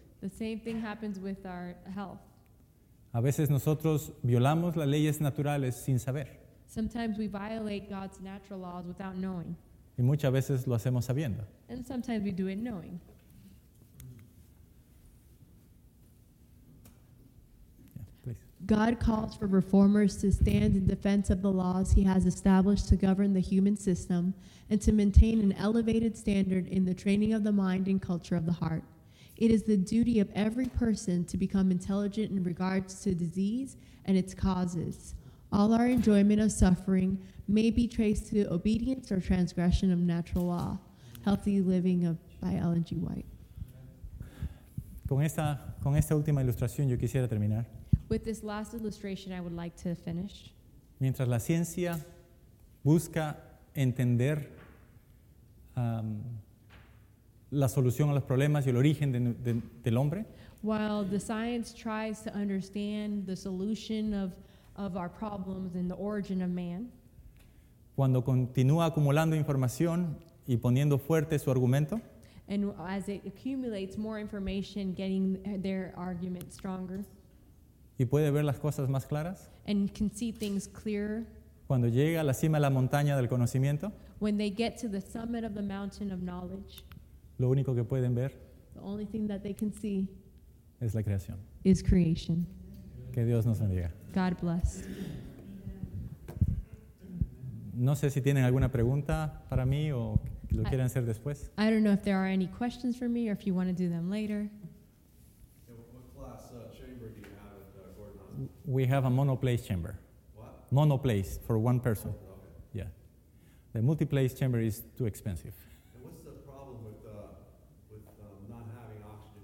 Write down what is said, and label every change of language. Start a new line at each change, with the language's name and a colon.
English: The same thing happens with our health.
Spanish: A veces nosotros violamos las leyes naturales sin saber.
English: Sometimes we violate God's natural laws without knowing.
Spanish: Y muchas veces lo hacemos sabiendo.
English: And sometimes we do it knowing. God calls for reformers to stand in defense of the laws he has established to govern the human system and to maintain an elevated standard in the training of the mind and culture of the heart. It is the duty of every person to become intelligent in regards to disease and its causes. All our enjoyment of suffering may be traced to obedience or transgression of natural law. Healthy Living by Ellen G. White.
Spanish: Con esta última ilustración yo quisiera terminar.
English: With this last illustration, I would like to finish.
Spanish: Mientras la ciencia busca entender la solución a los problemas y el origen del hombre.
English: While the science tries to understand the solution of our problems and the origin of man.
Spanish: Cuando continúa acumulando información y poniendo fuerte su argumento.
English: And as it accumulates more information, getting their argument stronger.
Spanish: Y puede ver las cosas más claras.
English: And can see things clearer.
Spanish: Cuando llega a la cima de la montaña del conocimiento.
English: When they get to the summit of the mountain of knowledge.
Spanish: Lo único que pueden ver.
English: The only thing that they can see.
Spanish: Es la creación.
English: Is creation.
Spanish: Que Dios nos bendiga.
English: God bless.
Spanish: No sé si tienen alguna pregunta para mí o lo quieren hacer después.
English: I don't know if there are any questions for me or if you want to do them later. We have a monoplace chamber. What? Monoplace for one person. Oh, okay. Yeah. The multiplace chamber is too expensive. And what's the problem with not having oxygen?